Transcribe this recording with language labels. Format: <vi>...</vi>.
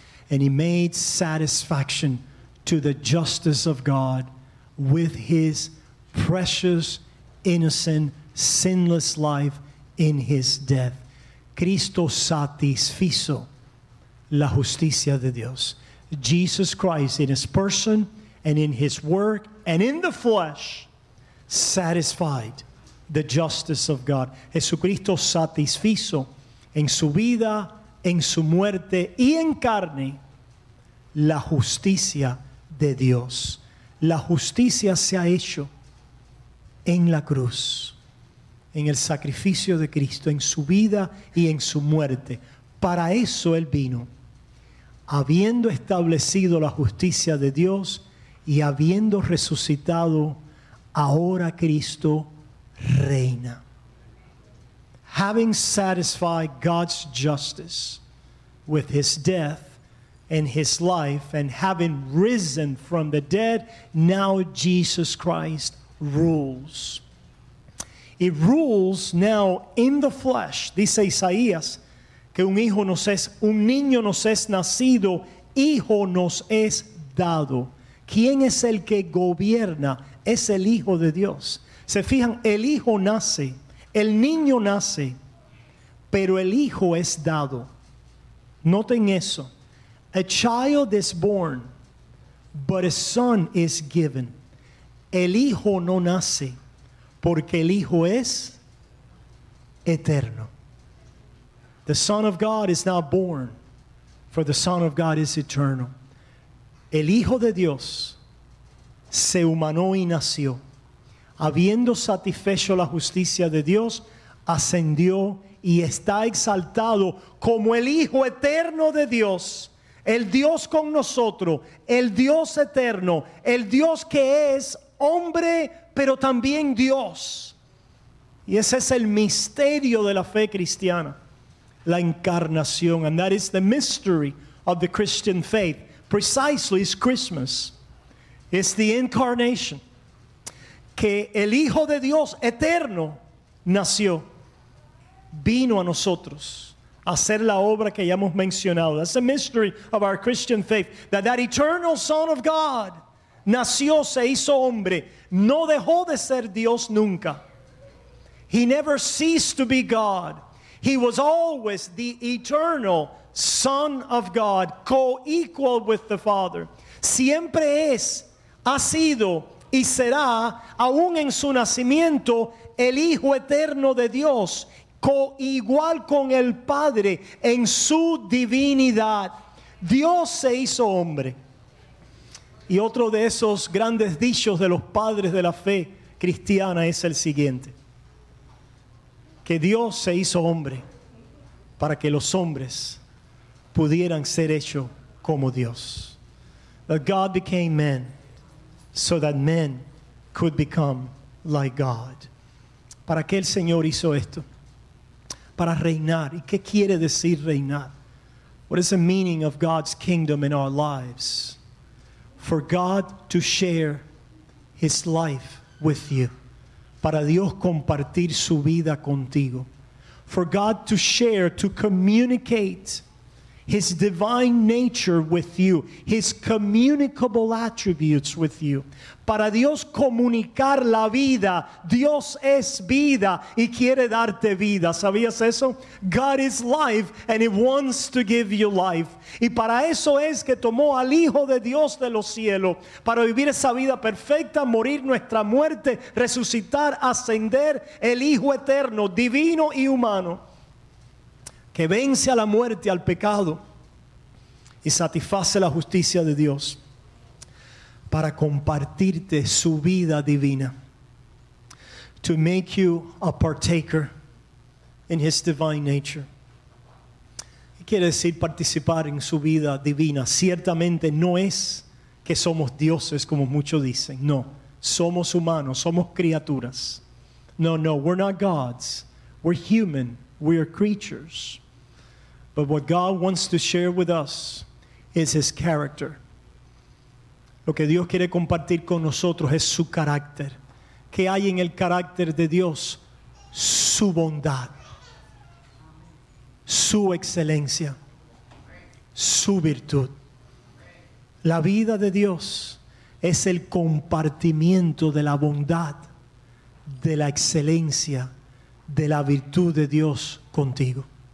<en>And he made satisfaction to the justice of God with his precious, innocent, sinless life. In his death,</en> <es>Cristo satisfizo la justicia de Dios.</es> <en>Jesus Christ, in his person and in his work and in the flesh, satisfied the justice of God.</en> <es>Jesucristo satisfizo en su vida, en su muerte y en carne la justicia de Dios. La justicia se ha hecho en la cruz. En el sacrificio de Cristo, en su vida y en su muerte. Para eso Él vino, habiendo establecido la justicia de Dios y habiendo resucitado, ahora Cristo reina.</es> <en>having satisfied God's justice with his death and his life, and having risen from the dead, now Jesus Christ rules. He rules now in the flesh.</en> <es>Dice Isaías que un hijo nos es, un niño nos es nacido, hijo nos es dado. ¿Quién es el que gobierna? Es el Hijo de Dios. Se fijan, el hijo nace, el niño nace, pero el hijo es dado. Noten eso.</es> <en>A child is born, but a son is given.</en> <es>El hijo no nace, porque el hijo es eterno.</es> <en>The Son of God is not born, for the Son of God is eternal.</en> <es>El Hijo de Dios se humanó y nació. Habiendo satisfecho la justicia de Dios, ascendió y está exaltado como el Hijo eterno de Dios. El Dios con nosotros, el Dios eterno, el Dios que es hombre, pero también Dios. Y ese es el misterio de la fe cristiana, la encarnación.</es> <en>And that is the mystery of the Christian faith. Precisely, it's Christmas. It's the incarnation.</en> <es>Que el Hijo de Dios eterno nació, vino a nosotros a hacer la obra que ya hemos mencionado.</es> <en>That's the mystery of our Christian faith. That eternal Son of God</en> <es>nació, se hizo hombre. No dejó de ser Dios nunca.</es> <en>He never ceased to be God. He was always the eternal Son of God, co-equal with the Father.</en> <es>Siempre es, ha sido y será, aún en su nacimiento, el Hijo eterno de Dios, co-igual con el Padre en su divinidad. Dios se hizo hombre. Y otro de esos grandes dichos de los padres de la fe cristiana es el siguiente: que Dios se hizo hombre para que los hombres pudieran ser hechos como Dios.</es> <en>That God became man so that men could become like God.</en> <es>¿Para qué el Señor hizo esto? Para reinar. ¿Y qué quiere decir reinar?</es> <en>What is the meaning of God's kingdom in our lives? For God to share his life with you.</en> <es>Para Dios compartir su vida contigo.</es> <en>For God to share, to communicate his divine nature with you, his communicable attributes with you.</en> <es>Para Dios comunicar la vida. Dios es vida y quiere darte vida. ¿Sabías eso?</es> <en>God is life and he wants to give you life.</en> <es>Y para eso es que tomó al Hijo de Dios de los cielos, para vivir esa vida perfecta, morir nuestra muerte, resucitar, ascender, el Hijo eterno, divino y humano, que vence a la muerte, al pecado, y satisface la justicia de Dios para compartirte su vida divina.</es> <en>To make you a partaker in his divine nature.</en> <es>¿Qué quiere decir participar en su vida divina? Ciertamente no es que somos dioses, como muchos dicen. No, somos humanos, somos criaturas.</es> <en>No, we're not gods. We're human, we are creatures. But what God wants to share with us is his character.</en> <es>Lo que Dios quiere compartir con nosotros es su carácter. ¿Qué hay en el carácter de Dios? Su bondad. Su excelencia. Su virtud. La vida de Dios es el compartimiento de la bondad, de la excelencia, de la virtud de Dios contigo.</es>